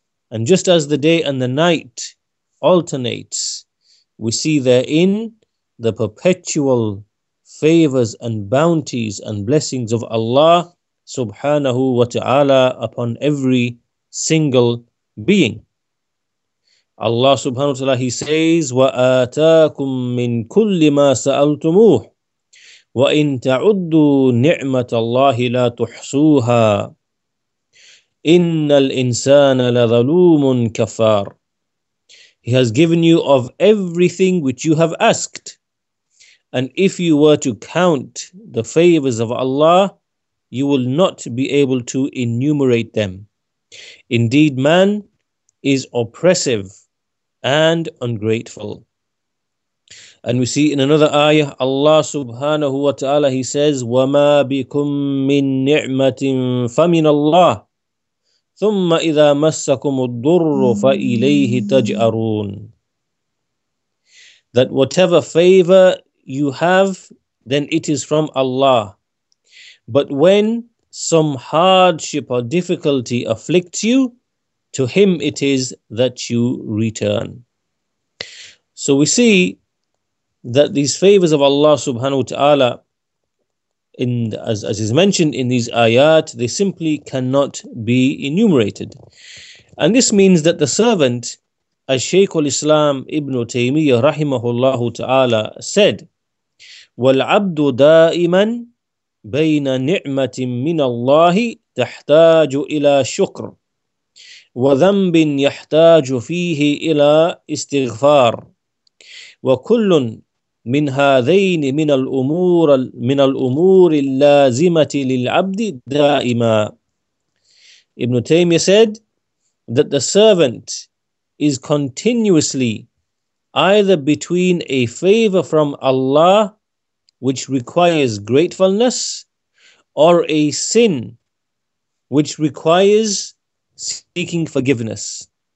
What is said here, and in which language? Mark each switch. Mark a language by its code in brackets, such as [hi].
[en] And just as the day and the night alternates, we see therein the perpetual favors and bounties and blessings of Allah subhanahu wa ta'ala upon every single being. [ar] Allah subhanahu wa ta'ala, [en] he says, [ar] وَآتَاكُم مِّن كُلِّ مَا سَأَلْتُمُوهُ وَإِن تَعُدُّوا نِعْمَةَ اللَّهِ لَا تُحْصُوهَا إِنَّ الْإِنسَانَ لَظَلُومٌ كَفَّارٌ. [en] He has given you of everything which you have asked, and if you were to count the favors of Allah, you will not be able to enumerate them. Indeed, man is oppressive and ungrateful. And we see in another ayah, Allah subhanahu wa ta'ala, he says, [ar] وَمَا بِكُم مِّن نِعْمَةٍ فَمِنَ اللَّهِ ثُمَّ إِذَا مَسَّكُمُ الضُّرُّ فَإِلَيْهِ تَجْأَرُونَ. [en] That whatever favor you have, then it is from Allah. But when some hardship or difficulty afflicts you, to him it is that you return. So we see that these favors of Allah subhanahu wa ta'ala, as is mentioned in these ayat, they simply cannot be enumerated. And this means that the servant, as Shaykh al-Islam Ibn Taymiyyah rahimahullah ta'ala said, [ar] وَالْعَبْدُ دَائِمًا بَيْنَ نِعْمَةٍ مِّنَ اللَّهِ تَحْتَاجُ إِلَى شُكْرٍ وَذَنْبٍ يَحْتَاجُ فِيهِ إِلَىٰ إِسْتِغْفَارٍ وَكُلٌ مِنْ هَذَيْنِ مِنَ الْأُمُورِ اللَّازِمَةِ لِلْعَبْدِ دَائِمًا. [en] Ibn Taymiyyah said that the servant is continuously either between a favor from Allah which requires gratefulness, or a sin which requires seeking forgiveness.